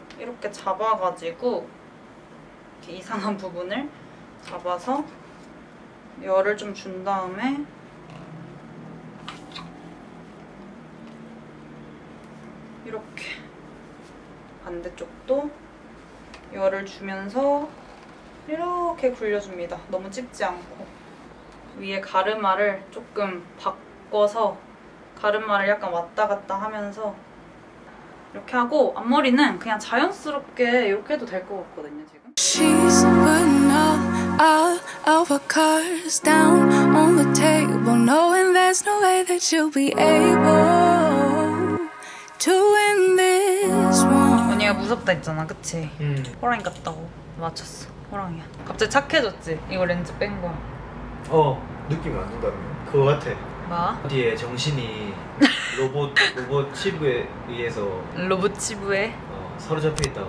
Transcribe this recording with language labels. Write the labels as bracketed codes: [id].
[ko] 이렇게 잡아가지고 이렇게 이상한 부분을 잡아서 열을 좀 준 다음에 이렇게 반대쪽도 열을 주면서 이렇게 굴려줍니다. 너무 찝지 않고 위에 가르마를 조금 바꿔서 가르마를 약간 왔다 갔다 하면서 이렇게 하고 앞머리는 그냥 자연스럽게 이렇게 해도 될 것 같거든요 지금. [en] She's been all of our cards down on the table knowing there's no way that you'll be able to win this one. [ko] 언니가 무섭다 했잖아 그치? 호랑이 같다고 맞췄어. 호랑이야. 갑자기 착해졌지? 이거 렌즈 뺀 거. 어 느낌이 안 든다며. 그거 같아. 뭐? 어디에 정신이 로봇 치부에 의해서 로봇 치부에? 어 사로잡혀 있다가